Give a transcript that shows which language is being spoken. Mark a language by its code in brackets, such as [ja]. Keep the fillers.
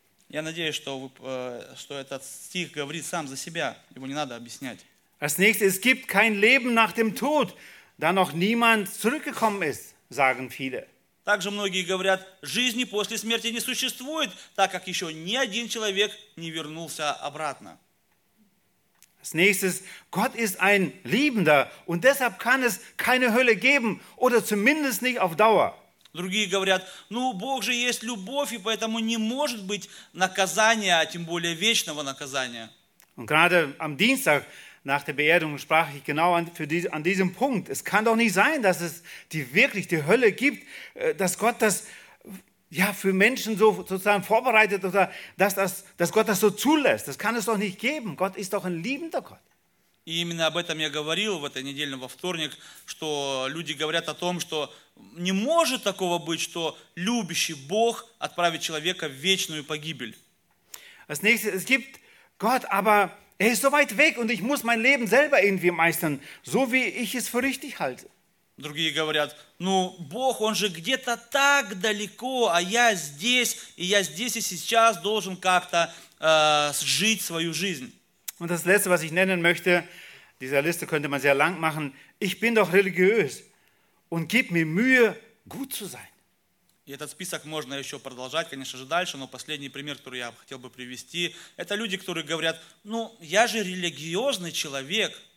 [ru] Я надеюсь, что, вы, что этот стих говорит сам за себя, его не надо объяснять. [de] Als nächstes, es gibt kein Leben nach dem Tod, da noch niemand zurückgekommen ist, sagen viele. [ru] Также многие говорят, жизни после смерти не существует, так как еще ни один человек не вернулся обратно. [de] Als nächstes, Gott ist ein Liebender und deshalb kann es keine Hölle geben oder zumindest nicht auf Dauer. [ru] Другие говорят, ну, Бог же есть любовь, и поэтому не может быть наказания, а тем более вечного наказания. [de] Und gerade am Dienstag nach der Beerdigung sprach ich genau an, die, an, diesem Punkt. Es kann doch nicht sein, dass es die wirklich die Hölle gibt, dass Gott das ja für Menschen so sozusagen vorbereitet oder dass, das, dass Gott das so zulässt. Das kann es doch nicht geben. Gott ist doch ein liebender Gott. [ru] И именно об этом я говорил в этой неделе, вторник, что люди говорят о том, что не может такого быть, что любящий Бог отправит человека в вечную погибель. [de] Nächste, es gibt Gott, aber er ist so weit weg und ich muss mein Leben selber irgendwie meistern, so wie ich es für richtig halte. [ru] Другие говорят, ну, Бог, Он же где-то так далеко, а я здесь, и я здесь и сейчас должен как-то жить свою жизнь. [de] Und das Letzte, was ich nennen möchte, dieser Liste könnte man sehr lang machen, ich bin doch religiös und gib mir Mühe, gut zu sein. [ru] И этот список можно еще продолжать, конечно же, дальше, но последний пример, который я хотел бы привести, это люди, которые говорят, ну, я же религиозный человек.